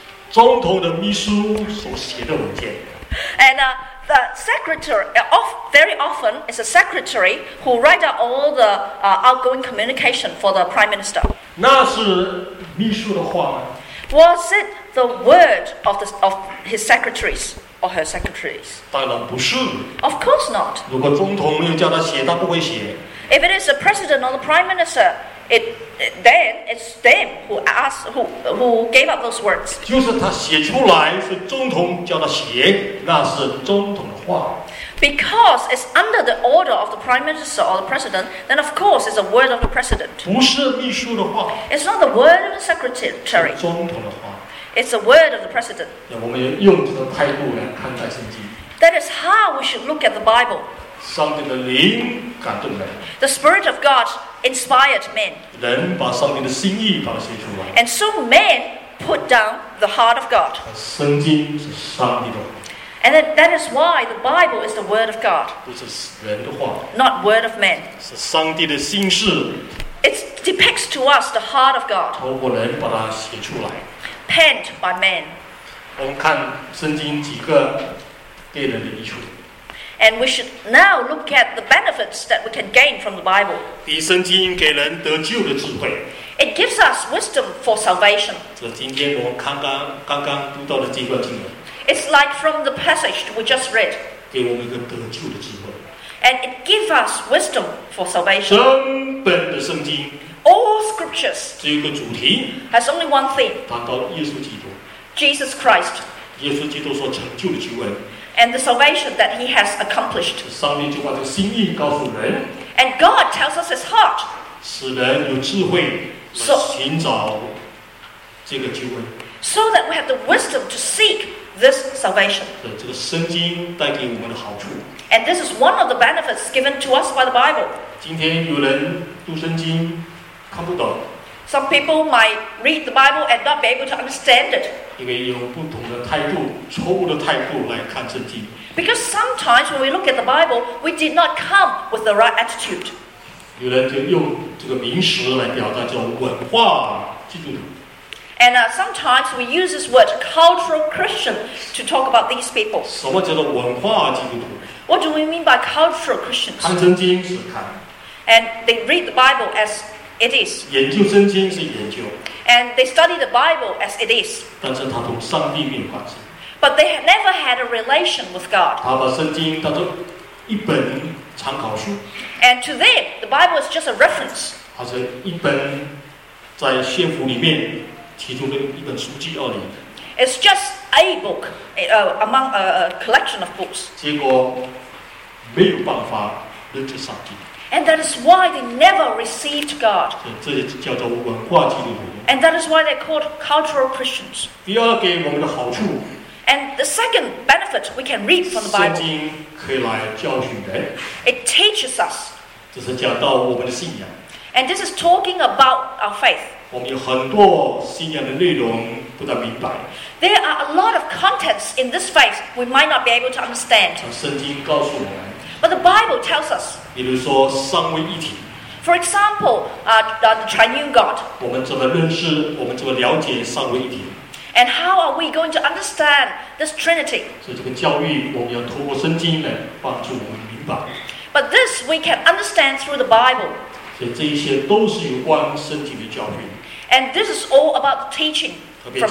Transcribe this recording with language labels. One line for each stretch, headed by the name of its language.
Chinese: 总统的秘书所写的文件。
English: And the secretary very often is a secretary who write out all the outgoing communication for the Prime Minister.
Chinese: 那是秘书的话吗
English: ？Was it the word of his secretaries? Or her secretaries.
Chinese: 当然不是。
English: Of course not.
Chinese: 如果总统没有叫他写，他不会写。
English: If it is the president or the prime minister, then it's them who gave up those words.
Chinese: 就是他写出来，是总统叫他写，那是总统的话。
English: Because it's under the order of the prime minister or the president, then of course it's the word of the president.
Chinese: 不是秘书的话。
English: It's not the word of the secretary.
Chinese: 是总统的话。
English: It's the word of the president.
Chinese: 我们用这个态度来看待圣经。
English: That is how we should look at the Bible.
Chinese: 上帝的灵感动人。
English: The spirit of God inspired men.
Chinese: 人把上帝的心意把它写出来。
English: And so men put down the heart of God.
Chinese: 圣经是上帝的。
English: And that is why the Bible is the word of God.
Chinese: 不是人的话。
English: Not word of man.
Chinese: 是上帝的心事。
English: It depicts to us the heart of God.
Chinese: 透过人把它写出来。
English: Penned by men.
Chinese: 我们看圣经几个对人的益处。
English: And we should now look at the benefits that we can gain from the Bible.
Chinese: 第一，圣经给人得救的智慧。
English: It gives us wisdom for salvation.
Chinese: 这是今天我们刚刚读到的这段经文。
English: It's like from the passage we just read.
Chinese: 给我们一个得救的智慧。
English: And it gives us wisdom for salvation.
Chinese: 整本的圣经。
English: All scriptures
Chinese: 只有个主题
English: has only one theme.
Chinese: 谈到耶稣基督
English: Jesus Christ.
Chinese: 耶稣基督所成就的救恩
English: and the salvation that He has accomplished.
Chinese: 上帝就把这个心意告诉人
English: And God tells us his heart.
Chinese: 使人有智慧来寻找这个救恩。
English: So that we have the wisdom to seek this salvation.
Chinese: 这个圣经带给我们的好处。
English: And this is one of the benefits given to us by the Bible.
Chinese: 今天有人读圣经看不懂。
English: Some people might read the Bible and not be able to understand it.
Chinese: 因为有不同的态度，错误的态度来看圣经。
English: Because sometimes when we look at the Bible, we did not come with the right attitude.
Chinese: 有人就用这个名词来表达叫文化基督徒。
English: And sometimes we use this word cultural Christian to talk about these people.
Chinese: 什么叫做文化基督徒？
English: What do we mean by cultural Christians?
Chinese: 看圣经是看。
English: And they read the Bible as it is.
Chinese: 研究圣经是研究。
English: And they study the Bible as it is.
Chinese: 但是他同上帝没有关系。
English: But they have never had a relation with God.
Chinese: 他把圣经当作一本参考书。
English: And to them, the Bible is just a reference.
Chinese: 好像一本在信徒里面其中的一本书籍而已。
English: It's just a book among a collection of books.
Chinese: 结果没有办法认识上帝。
English: And that is why they never received God.
Chinese: 这叫做文化基督徒。
English: And that is why they're called cultural Christians.
Chinese: 第二给我们的好处。
English: And the second benefit we can reap from the Bible.
Chinese: 圣经可以来教训人。
English: It teaches us.
Chinese: 这是讲到我们的信仰。
English: And this is talking about our faith.
Chinese: 我们有很多信仰的内容不太明白。
English: There are a lot of contents in this faith we might not be able to understand.
Chinese: 圣经告诉我们。
English: But the Bible tells us.
Chinese: 比如说三位一体。
English: For example, the triune God.
Chinese: 我们怎么认识，我们怎么了解三位一体。
English: And how are we going to understand this Trinity?
Chinese: 所以这个教育我们要透过圣经来帮助我们明白。
English: But this we can understand through the Bible.
Chinese: 所以这一些都是有关圣经的教训。
English: And this is all about the teaching from the Bible.